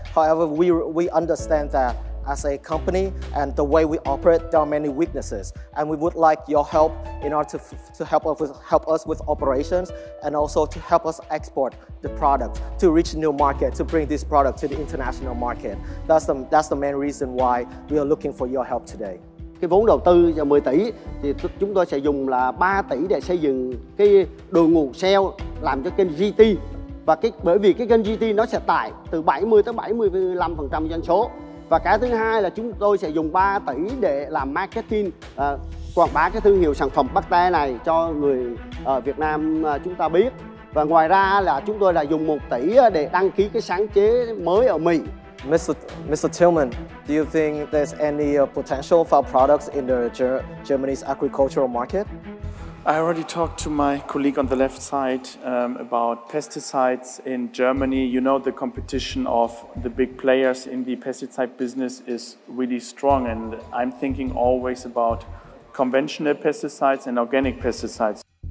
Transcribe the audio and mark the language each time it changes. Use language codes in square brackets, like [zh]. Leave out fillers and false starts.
[en] However, we understand that as a company and the way we operate, there are many weaknesses. And we would like your help in order to help us with operations and also to help us export the product to reach new market, to bring this product to the international market. That's the main reason why we are looking for your help today. [vi] Cái vốn đầu tư là 10 tỷ thì chúng tôi sẽ dùng là 3 tỷ để xây dựng cái đội ngũ sale làm cho kênh GT. Và bởi vì cái kênh GT nó sẽ tải từ 70-75% doanh số. Và cái thứ hai là chúng tôi sẽ dùng 3 tỷ để làm marketing, quảng bá cái thương hiệu sản phẩm Bắc Tê này cho người ở Việt Nam chúng ta biết. Và ngoài ra là chúng tôi là dùng 1 tỷ để đăng ký cái sáng chế mới ở Mỹ. [en] Mr. Tillman, do you think there's any potential for products in the Germany's agricultural market? I already talked to my colleague on the left side about pesticides in Germany. You know, the competition of the big players in the pesticide business is really strong, and I'm thinking always about conventional pesticides and organic pesticides.